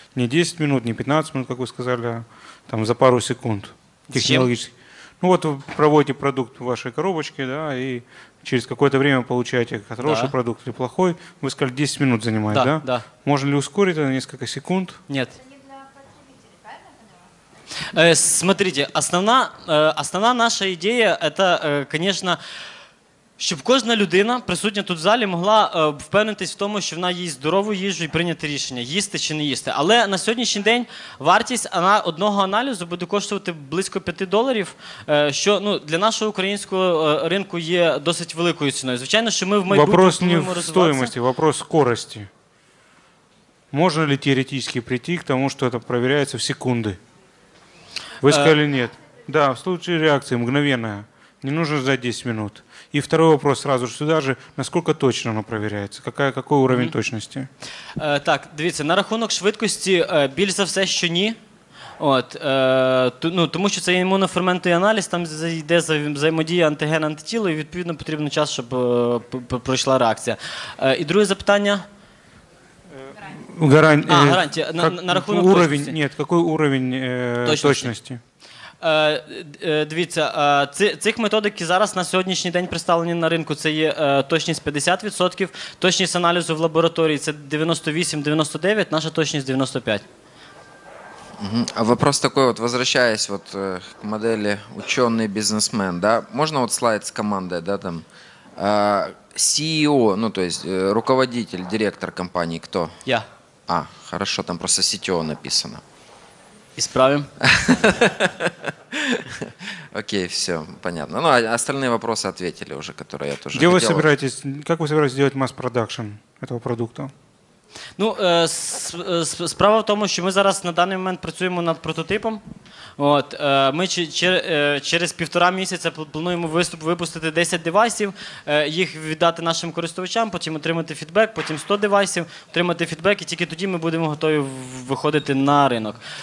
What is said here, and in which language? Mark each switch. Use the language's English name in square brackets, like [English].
[Russian] Не 10 минут, не 15 минут, как вы сказали, а там за пару секунд технологически. Чем? Ну вот вы проводите продукт в вашей коробочке, да, и через какое-то время получаете хороший, да, продукт или плохой. Вы сказали, 10 минут занимает, да? Да, да. Можно ли ускорить это на несколько секунд? Нет. Смотрите, основная наша идея – это, конечно, [Ukrainian] щоб кожна людина, присутня тут в залі, могла впевнитись в тому, що вона їсть здорову їжу і прийняти рішення, їсти чи не їсти. Але на сьогоднішній день вартість одного аналізу буде коштувати близько $5, що, ну, для нашого українського ринку є досить великою ціною. Звичайно, що ми в майбутньому [Russian] вопрос не в стоїмості, вопрос скорості. Можна ли теоретично прийти к тому, [Ukrainian] що це перевіряється в секунди? Ви сказали ні. [Russian] Да, в случае реакції мгновенна. Не нужно ждать 10 минут. И второй вопрос сразу же сюда же. Насколько точно оно проверяется? Какой уровень точности? [Ukrainian] Так, дивіться, на рахунок швидкості, більш за все, що ні. От, ну, тому що це імунофермент і аналіз, там йде взаємодія антиген-антитіло, і відповідно потрібен час, щоб пройшла реакція. І друге запитання? Гарантія. Гарантія. На рахунок уровень, ні, який уровень точності? Дивіться, цих методик зараз на сьогоднішній день представлені на ринку. Це є точність 50%, точність аналізу в лабораторії – це 98-99%, наша точність – 95%. [Russian] А вопрос такий, от, возвращаясь от, к моделі «учений-бізнесмен», да? [Ukrainian] Можна от слайд з командою, да, там? [Russian] CEO, ну, то есть, руководитель, директор компании, кто? Я. А, хорошо, там просто CTO написано. Исправим. Окей, все, понятно. Ну, остальные вопросы ответили уже, которые я тоже хотел. Где вы собираетесь, как вы собираетесь делать масс-продакшн этого продукта? [Ukrainian] Ну, справа в тому, що ми зараз на даний момент працюємо над прототипом. От, ми через півтора місяця плануємо випустити 10 девайсів, їх віддати нашим користувачам, потім отримати фідбек, потім 100 девайсів, отримати фідбек, і тільки тоді ми будемо готові виходити на ринок.